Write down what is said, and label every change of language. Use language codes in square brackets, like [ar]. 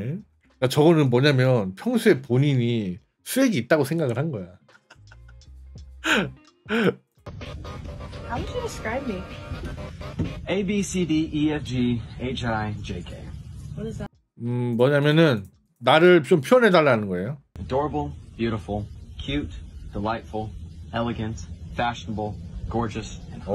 [ko] 그러니까 저거는 뭐냐면 평소에 본인이 수액이 있다고 생각을 한 거야. [en] How would you describe me? A B C D E F G H I J K. What is that? [ko] 뭐냐면은 나를 좀 표현해 달라는 거예요. [en] Adorable, beautiful, cute, delightful, elegant, fashionable, gorgeous, and hot.